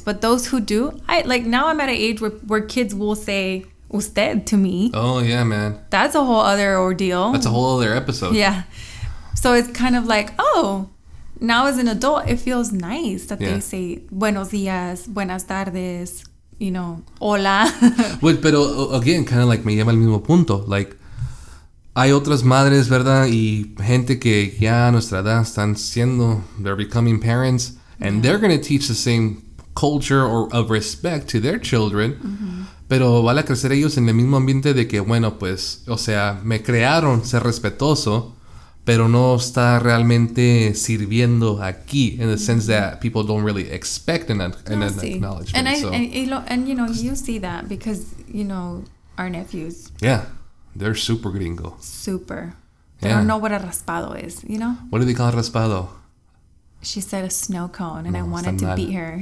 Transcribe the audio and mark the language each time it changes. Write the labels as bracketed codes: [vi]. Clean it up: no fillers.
[en] But those who do, now I'm at an age where kids will say usted to me. Oh, yeah, man. That's a whole other ordeal. That's a whole other episode. Yeah. So it's kind of like, oh, now as an adult, it feels nice that they say [es] buenos días, buenas tardes, [en] you know, [es] hola. [en] Wait, pero again, kind of like [es] me lleva al mismo punto, [en] like. [es] Hay otras madres, ¿verdad? Y gente que ya a nuestra edad están siendo, [en] they're becoming parents. And they're going to teach the same culture or of respect to their children. Mm-hmm. [es] Pero van a crecer ellos en el mismo ambiente de que, bueno, pues, o sea, me crearon ser respetuoso, pero no está realmente sirviendo aquí. [en] In the sense that people don't really expect an acknowledgement. And, you know, you see that because, you know, our nephews. Yeah. They're super gringo. Super. They don't know what a raspado is, you know? What do they call a raspado? She said a snow cone, and I wanted to beat her.